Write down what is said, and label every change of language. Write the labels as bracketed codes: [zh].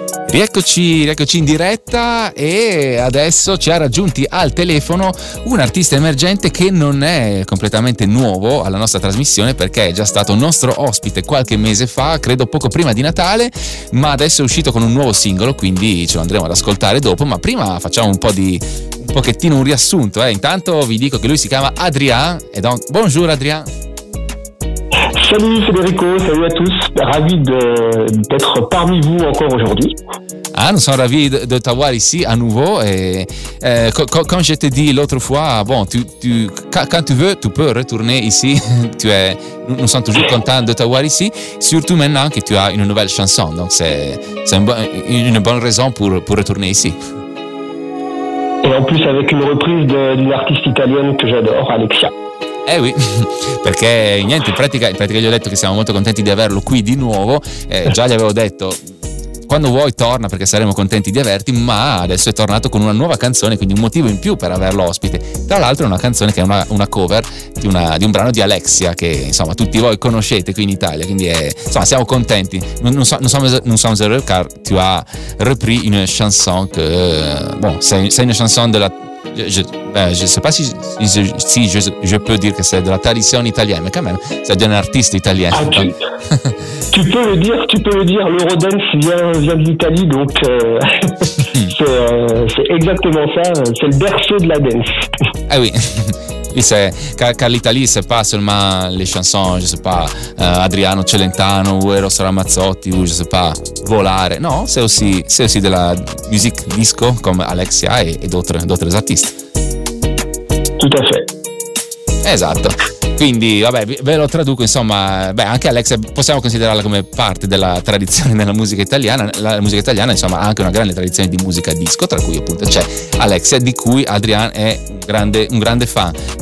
[it] Rieccoci in diretta e adesso ci ha raggiunti al telefono un artista emergente che non è completamente nuovo alla nostra trasmissione perché è già stato nostro ospite qualche mese fa, credo poco prima di Natale, ma adesso è uscito con un nuovo singolo, quindi ce lo andremo ad ascoltare dopo, ma prima facciamo un pochettino un riassunto. Intanto vi dico che lui si chiama Adrien, e [fr] donc bonjour Adrien. Salut Federico, salut à tous, ravi d'être parmi vous encore aujourd'hui. Ah, nous sommes ravis de t'avoir ici à nouveau. Comme je t'ai dit l'autre fois, bon, quand tu veux, tu peux retourner ici. Nous sommes toujours contents de t'avoir ici, surtout maintenant que tu as une nouvelle chanson. Donc c'est une bonne raison pour retourner ici. Et en plus avec une reprise d'une artiste italienne que j'adore, Alexia. [it] Eh oui, perché niente, in pratica gli ho detto che siamo molto contenti di averlo qui di nuovo, già gli avevo detto quando vuoi torna perché saremo contenti di averti, ma adesso è tornato con una nuova canzone, quindi un motivo in più per averlo ospite. Tra l'altro è una canzone che è una cover di un brano di Alexia che insomma tutti voi conoscete qui in Italia, quindi insomma siamo contenti. [fr] Non sommes heureux car tu as repris une chanson que bon, c'est une chanson de la Je ne sais pas si je peux dire que c'est de la tradition italienne, mais quand même, c'est d'un artiste italien. Ah, tu peux le dire, l'Eurodance vient de l'Italie, donc c'est exactement ça, c'est le berceau de la dance. Ah oui. Car l'Italie, c'est pas seulement les chansons, je sais pas, Adriano Celentano, ou Eros Ramazzotti, ou je sais pas, Volare. Non, c'est aussi de la musique disco, comme Alexia et d'autres artistes. Tout à fait. [it] Esatto. Quindi, vabbè, ve lo traduco, insomma, beh, anche Alexia possiamo considerarla come parte della tradizione della musica italiana. La musica italiana, insomma, ha anche una grande tradizione di musica disco, tra cui appunto c'è Alexia, di cui Adrien è un grande fan.